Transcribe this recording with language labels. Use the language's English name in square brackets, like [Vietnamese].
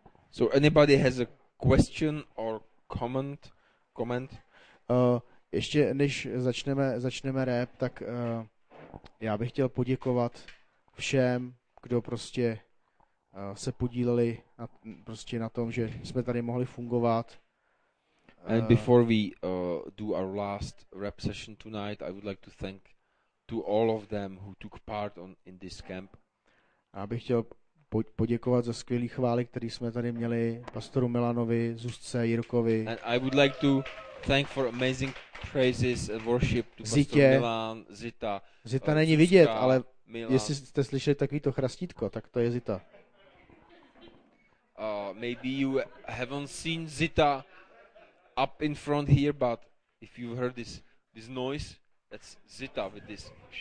[English] So anybody has a question or comment? Comment? [Czech] Ještě než začneme rap, tak já bych chtěl poděkovat všem, kdo prostě se podíleli na, prostě na tom, že jsme tady mohli fungovat. [English] And before we do our last rap session tonight, I would like to thank to all of them who took part on in this camp. [Czech] Já bych chtěl poděkovat za skvělý chvály, které jsme tady měli pastoru Milanovi, Zuzce, Jirkovi. [English] And I would like to thank for amazing praises and worship to Zitě. Pastor Milan, Zita. [Czech] Zita není Zuzka, vidět, ale Milan. Jestli jste slyšeli takový to chrastítko, tak to je Zita. [English] Maybe you haven't seen Zita up in front here, but if you heard this noise, that's Zita with this.